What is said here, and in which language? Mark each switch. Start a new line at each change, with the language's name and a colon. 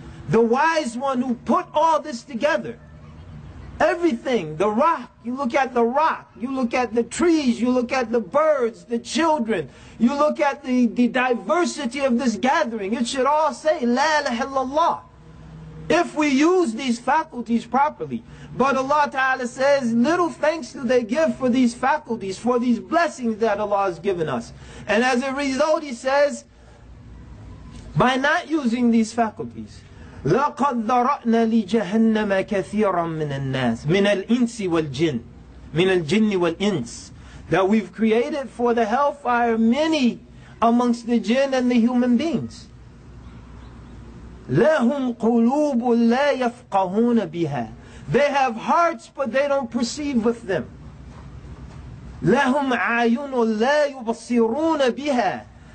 English: The wise one who put all this together. Everything, the rock, you look at the rock, you look at the trees, you look at the birds, the children, you look at the diversity of this gathering, it should all say, La ilaha illallah. If we use these faculties properly. But Allah Ta'ala says, little thanks do they give for these faculties, for these blessings that Allah has given us. And as a result, He says, by not using these faculties,
Arabic: لَقَدْ ذَرَأْنَا لِجَهَنَّمَ كَثِيرًا مِنَ النَّاسِ مِنَ الْإِنسِ وَالْجِنِّ مِنَ الْجِنِّ وَالْإِنسِ.
English: That we've created for the hellfire many amongst the jinn and the human beings.
Arabic: لَهُمْ قُلُوبٌ لَا يَفْقَهُونَ بِهَا.
English: They have hearts but they don't perceive with them.
Arabic: لَهُمْ عَيُنٌ لَا يُبَصِّرُونَ بِهَا.